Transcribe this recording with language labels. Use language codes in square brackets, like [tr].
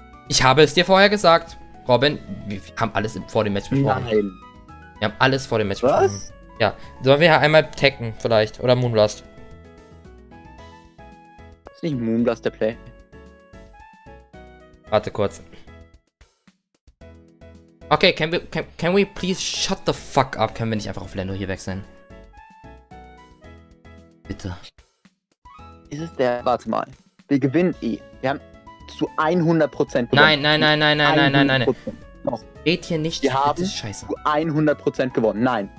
[de] Ich habe es dir vorher gesagt. Robin, wir haben alles vor dem Match besprochen. Nein. Wir haben alles vor dem Match besprochen. Was? Ja. Sollen wir ja einmal tacken, vielleicht. Oder Moonblast. Ist nicht Moonblast der Play? Warte kurz. [en] Okay, can we please shut the fuck up? [de] Können wir nicht einfach auf Lando hier wechseln? Bitte. Ist es der? Warte mal. Wir gewinnen eh. Wir haben zu 100% gewonnen. Nein. Geht hier nicht. Wir haben Scheiße. Zu 100% gewonnen. Nein.